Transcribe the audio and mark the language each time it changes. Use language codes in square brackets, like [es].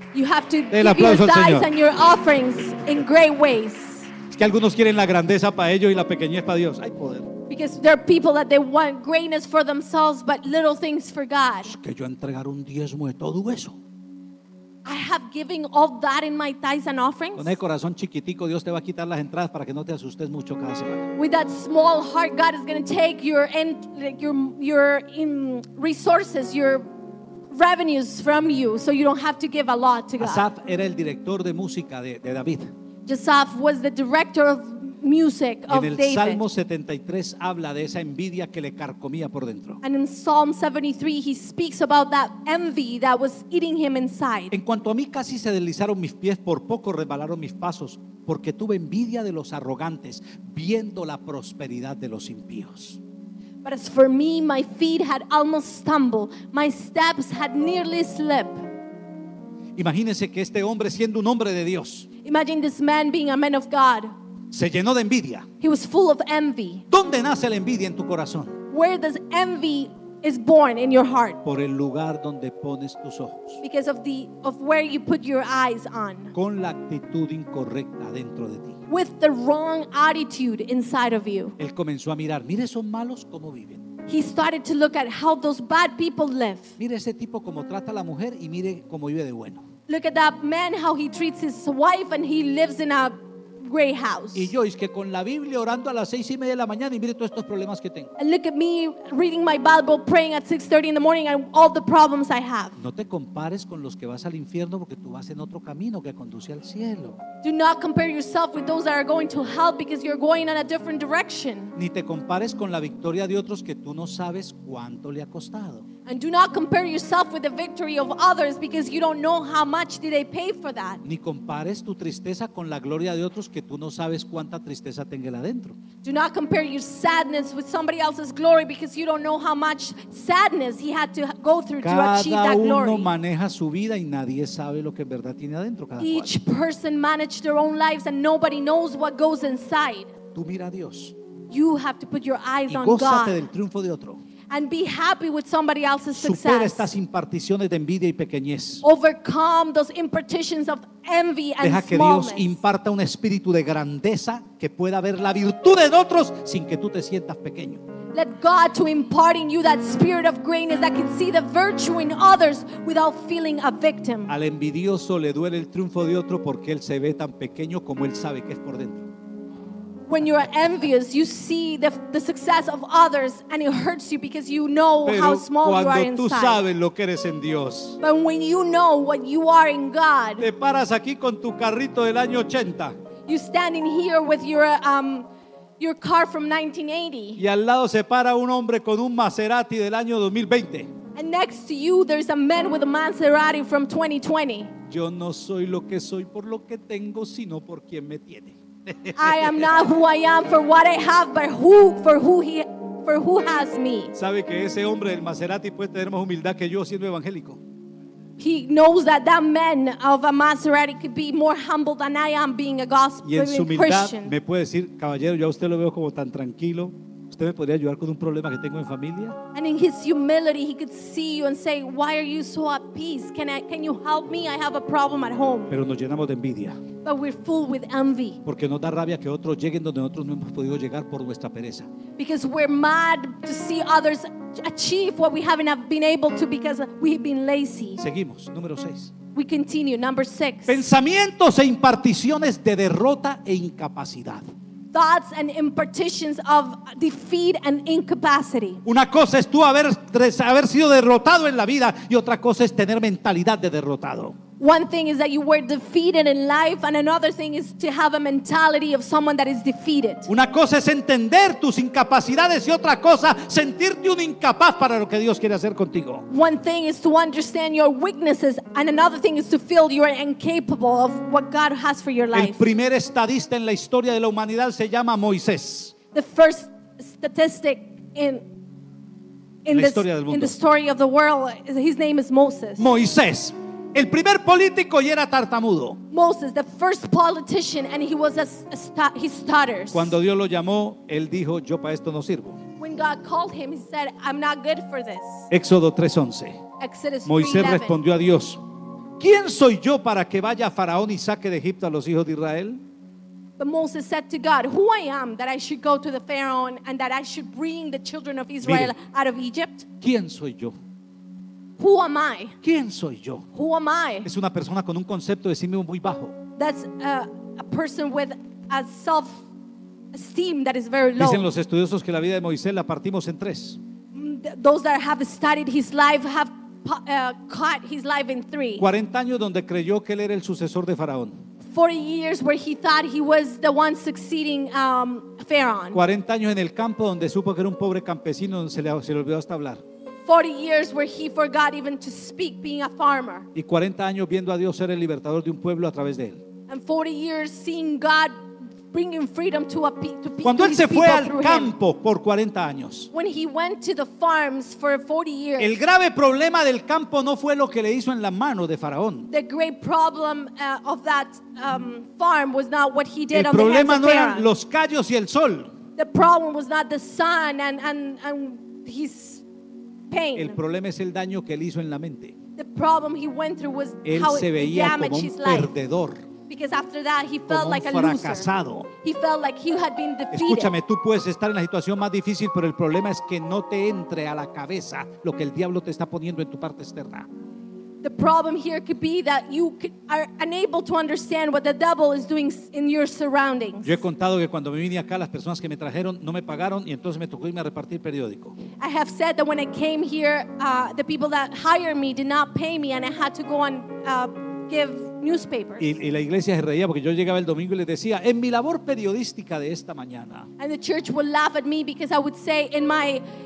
[en] You have to give your tithes and your offerings in great ways. [es] Es que algunos quieren la grandeza para ellos y la pequeñez para Dios. Hay poder. [en] Because there are people that they want greatness for themselves but little things for God. [es] Es que yo entregar un diezmo de todo eso. [en] I have given all that in my tithes and offerings. [es] Con el corazón chiquitico, Dios te va a quitar las entradas para que no te asustes mucho cada semana. [en] With that small heart, God is going to take your in resources, your revenues from you, so you don't have to give a lot to God. [es] Asaf era el director de música de David. [en] Asaf was the director of music of David. [es] En el Salmo 73 habla de esa envidia que le carcomía por dentro. [en] And in Psalm 73 he speaks about that envy that was eating him inside. [es] En cuanto a mí casi se deslizaron mis pies, por poco resbalaron mis pasos, porque tuve envidia de los arrogantes, viendo la prosperidad de los impíos. [en] But as for me, my feet had almost stumbled, my steps had nearly slipped. [es] Imagínese que este hombre siendo un hombre de Dios. [en] Imagine this man being a man of God. [es] Se llenó de envidia. [en] He was full of envy. [es] ¿Dónde nace la envidia en tu corazón? [en] Where does envy is born in your heart? [es] Por el lugar donde pones tus ojos. [en] Because of where you put your eyes on. [es] Con la actitud incorrecta dentro de ti. [en] With the wrong attitude inside of you. [es] Él comenzó a mirar, mire esos malos cómo viven. [en] He started to look at how those bad people live. [es] Mire ese tipo cómo trata a la mujer y mire cómo vive de bueno. [en] Look at that man how he treats his wife and he lives in a great house. [es] Y yo es que con la Biblia orando a las 6:30 de la mañana y mire todos estos problemas que tengo. [en] And look at me reading my Bible praying at 6:30 in the morning and all the problems I have. [es] No te compares con los que vas al infierno porque tú vas en otro camino que conduce al cielo. [en] Do not compare yourself with those that are going to hell because you're going in a different direction. [es] Ni te compares con la victoria de otros que tú no sabes cuánto le ha costado. [en] And do not compare yourself with the victory of others because you don't know how much did they pay for that. [es] Ni compares tu tristeza con la gloria de otros que tú no sabes cuánta tristeza tenga él adentro. [en] Do not compare your sadness with somebody else's glory because you don't know how much sadness he had to go through [es] cada [en] to achieve that glory. [es] Cada uno maneja su vida y nadie sabe lo que en verdad tiene adentro. Cada [en] Each [es] cual. [en] Person manages their own lives and nobody knows what goes inside. [es] Tú mira a Dios. [en] You have to put your eyes [es] y [en] on God. [es] Gózate del triunfo de otro. [en] and be happy with somebody else's success. [es] Supera estas imparticiones de envidia y pequeñez. [en] Overcome those impartitions of envy and smallness. [es] Deja que Dios imparta un espíritu de grandeza que pueda ver la virtud en otros sin que tú te sientas pequeño. [en] Let God to impart in you that spirit of greatness that can see the virtue in others without feeling a victim. [es] Al envidioso le duele el triunfo de otro porque él se ve tan pequeño como él sabe que es por dentro. [en] When you are envious, you see the success of others and it hurts you because you know [es] Pero [en] how small you are inside. [es] Pero cuando tú sabes lo que eres en Dios. [en] But when you know what you are in God. [es] Te paras aquí con tu carrito del año 80. [en] You standing here with your car from 1980. [es] Y al lado se para un hombre con un Maserati del año 2020. [en] And next to you there's a man with a Maserati from 2020. [es] Yo no soy lo que soy por lo que tengo, sino por quien me tiene. [en] I am not who I am for what I have, but for who has me. [es] Sabe que ese hombre del Maserati puede tener más humildad que yo siendo evangélico. [en] He knows that that man of a Maserati could be more humble than I am being a gospel Christian. [es] Y en su humildad me puede decir, caballero, yo a usted lo veo como tan tranquilo. ¿Usted me podría ayudar con un problema que tengo en familia? [en] And in his humility, he could see you and say, "Why are you so at peace? Can you help me? I have a problem at home." [es] Pero nos llenamos de envidia. [en] But we're full with envy. [es] Porque nos da rabia que otros lleguen donde nosotros no hemos podido llegar por nuestra pereza. [en] Because we're mad to see others achieve what we haven't been able to because we've been lazy. [es] Seguimos, número 6. [en] We continue, number 6. [es] Pensamientos e imparticiones de derrota e incapacidad. [en] Thoughts and impartitions of defeat and incapacity. [es] Una cosa es tú haber sido derrotado en la vida y otra cosa es tener mentalidad de derrotado. [en] One thing is that you were defeated in life and another thing is to have a mentality of someone that is defeated. [es] Una cosa es entender tus incapacidades y otra cosa sentirte un incapaz para lo que Dios quiere hacer contigo. [en] One thing is to understand your weaknesses and another thing is to feel you are incapable of what God has for your life. [es] El primer estadista en la historia de la humanidad se llama Moisés. [en] The first statistic in the story of the world, his name is Moses. [es] Moisés. El primer político y era tartamudo. [en] Moses, the first politician, and he was he stutters. [es] Cuando Dios lo llamó, él dijo, yo para esto no sirvo. [en] When God called him, he said, I'm not good for this. [es] Éxodo 3:11. [en] Exodus 3:11. [es] Moisés respondió a Dios, ¿quién soy yo para que vaya a Faraón y saque de Egipto a los hijos de Israel? [en] But Moses said to God, who I am that I should go to the Pharaoh and that I should bring the children of Israel [es] Mire, [en] out of Egypt? [es] ¿Quién soy yo? [en] Who am I? [es] ¿Quién soy yo? [en] Who am I? [es] Es una persona con un concepto de sí mismo muy bajo. [en] That's a person with a self-esteem that is very low. [es] Dicen los estudiosos que la vida de Moisés la partimos en tres. [en] Those that have studied his life have cut his life in three. [es] 40 años donde creyó que él era el sucesor de Faraón. [en] 40 years where he thought he was the one succeeding Pharaoh. [es] 40 años en el campo donde supo que era un pobre campesino donde se le olvidó hasta hablar. [en] 40 years where he forgot even to speak, being a farmer. [es] Y 40 años viendo a Dios ser el libertador de un pueblo a través de él. [en] And 40 years seeing God bringing freedom to a people through him. [es] Cuando él se fue al campo por 40 años. [en] When he went to the farms for 40 years. [es] El grave problema del campo no fue lo que le hizo en la mano de Faraón. [en] The great problem of that farm was not what he did on the farm. [es] El problema no eran los callos y el sol. [en] The problem was not the sun and his pain. [es] El problema es el daño que él hizo en la mente. [en] The problem he went through was [es] él [en] how [es] se veía [en] he damaged [es] como un [en] his life. [es] Perdedor. [en] Because after that he felt like a [es] fracasado. [en] Loser. He felt like he had been defeated. [es] Escúchame, tú puedes estar en la situación más difícil, pero el problema es que no te entre a la cabeza lo que el diablo te está poniendo en tu parte externa. [en] The problem here could be that you are unable to understand what the devil is doing in your surroundings. [es] Yo he contado que cuando me vine acá las personas que me trajeron no me pagaron y entonces me tocó irme a repartir periódico. [en] I have said that when I came here the people that hired me did not pay me and I had to go and give newspapers. [es] Y la iglesia se reía porque yo llegaba el domingo y les decía, en mi labor periodística de esta mañana. [en] And the church would laugh at me because I would say in my